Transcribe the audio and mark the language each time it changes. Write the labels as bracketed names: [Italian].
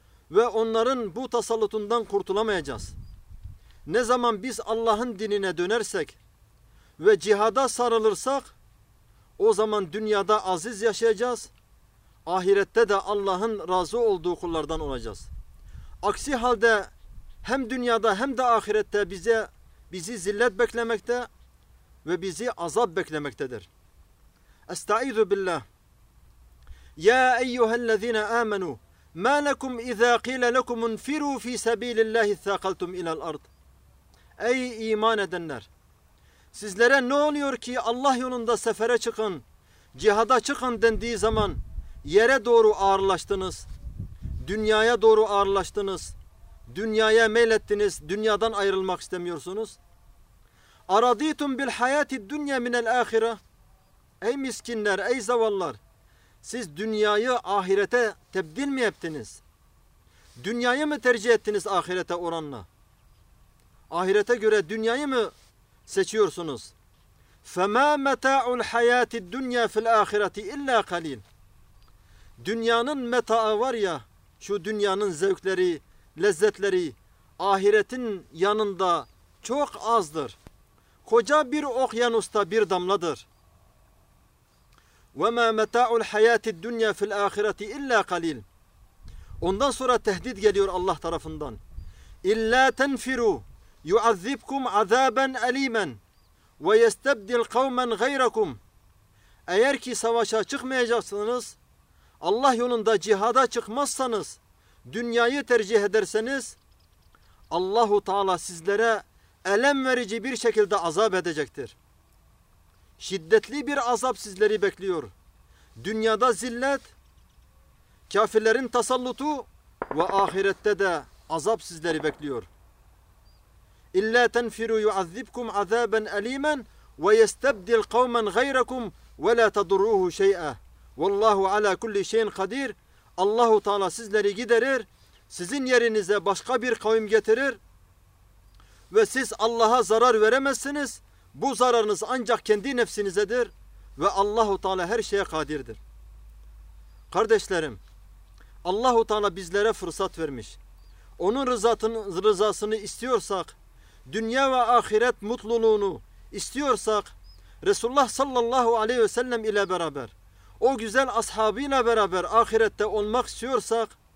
[Turkish] Ve onların bu tasallutundan kurtulamayacağız. Ne zaman biz Allah'ın dinine dönersek ve cihada sarılırsak o zaman dünyada aziz yaşayacağız. Ahirette de Allah'ın razı olduğu kullardan olacağız. Aksi halde hem dünyada hem de ahirette bizi zillet beklemekte ve bizi azap beklemektedir. [Arabic] Estaizu billah. Ya eyyühellezine amenu. مَا لَكُمْ اِذَا قِيلَ لَكُمُ اُنْفِرُوا ف۪ي سَب۪يلِ اللّٰهِ اثَّاقَلْتُمْ اِلَى الْاَرْضِ [Turkish] Ey iman edenler! Sizlere ne oluyor ki Allah yolunda sefere çıkın, cihada çıkın dendiği zaman yere doğru ağırlaştınız, dünyaya doğru ağırlaştınız, dünyaya meylettiniz, dünyadan ayrılmak istemiyorsunuz. [Arabic] اَرَضِيْتُمْ بِالْحَيَاتِ الدُّنْيَا مِنَ الْآخِرَةِ [Turkish] Ey miskinler, ey zavallar! Siz dünyayı ahirete tebdil mi ettiniz? Dünyayı mı tercih ettiniz ahirete oranla? Ahirete göre dünyayı mı seçiyorsunuz? [Arabic] فَمَا مَتَاعُ الْحَيَاتِ الدُّنْيَا فِي الْآخِرَةِ اِلَّا قَلِيلٍ [Turkish] Dünyanın meta'ı var ya, şu dünyanın zevkleri, lezzetleri ahiretin yanında çok azdır. Koca bir okyanusta bir damladır. [Arabic] وَمَا مَتَاعُ الْحَيَاتِ الدُّنْيَا فِي الْآخِرَةِ اِلَّا قَلِيلٍ [Turkish] Ondan sonra tehdit geliyor Allah tarafından. [Arabic] اِلَّا تَنْفِرُوا يُعَذِّبْكُمْ عَذَابًا أَل۪يمًا وَيَسْتَبْدِلْ قَوْمًا غَيْرَكُمْ [Turkish] Eğer ki savaşa çıkmayacaksınız, Allah yolunda cihada çıkmazsanız, dünyayı tercih ederseniz, Allah-u Teala sizlere elem verici bir şekilde azap edecektir. Şiddetli bir azap sizleri bekliyor. Dünyada zillet, kafirlerin tasallutu ve ahirette de azap sizleri bekliyor. [Arabic] اِلَّا تَنْفِرُوا يُعَذِّبْكُمْ عَذَابًا أَل۪يمًا وَيَسْتَبْدِلْ قَوْمًا غَيْرَكُمْ وَلَا تَضُرُّوهُ شَيْئًا وَاللّٰهُ عَلَى كُلِّ شَيْءٍ قَدِيرٍ [Turkish] Allah-u Teala sizleri giderir, sizin yerinize başka bir kavim getirir ve siz Allah'a zarar veremezsiniz. Bu zararınız ancak kendi nefsinizedir ve Allah-u Teala her şeye kadirdir. Kardeşlerim, Allah-u Teala bizlere fırsat vermiş. Onun rızasını istiyorsak, dünya ve ahiret mutluluğunu istiyorsak, Resulullah sallallahu aleyhi ve sellem ile beraber, o güzel ashabıyla beraber ahirette olmak istiyorsak,